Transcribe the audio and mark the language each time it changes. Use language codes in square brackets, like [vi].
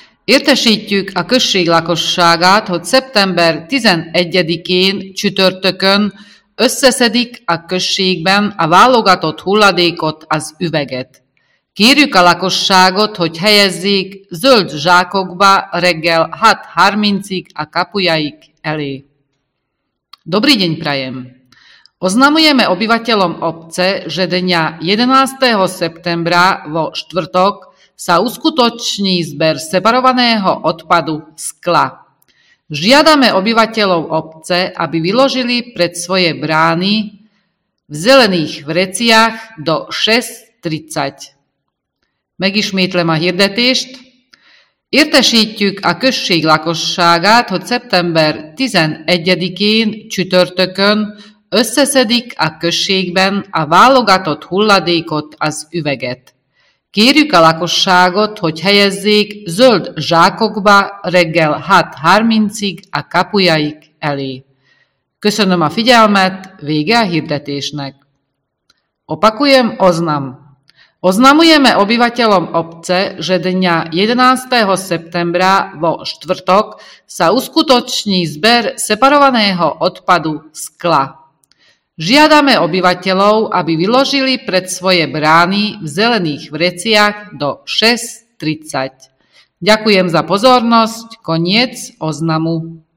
[hu] Értesítjük a község lakosságát, hogy szeptember 11-én csütörtökön összeszedik a községben a válogatott hulladékot, az üveget. Kérjük a lakosságot, hogy helyezzék zöld zsákokba reggel 6:30-ig a kapujaik elé. [sk] Dobrý deň prajem! Oznamujeme obyvateľom obce, že dňa 11. septembra vo štvrtok sa uskutoční zber separovaného odpadu skla. Žiadame obyvateľov obce, aby vyložili pred svoje brány v zelených vreciach do 6:30. [hu] Megismétlem a hirdetést. Értesítjük a község lakosságát, hogy szeptember 11-én csütörtökön összeszedik a községben a válogatott hulladékot, az üveget. Kérjük a lakosságot, hogy helyezzék zöld zsákokba reggel 6:30-ig a kapujaik elé. Köszönöm a figyelmet, vége a hirdetésnek. [sk] Opakujem oznam. Oznamujeme obyvateľom obce, že dňa 11. septembra vo štvrtok sa uskutoční zber separovaného odpadu skla. Žiadame obyvateľov, aby vyložili pred svoje brány v zelených vreciach do 6:30. Ďakujem za pozornosť. Koniec oznamu.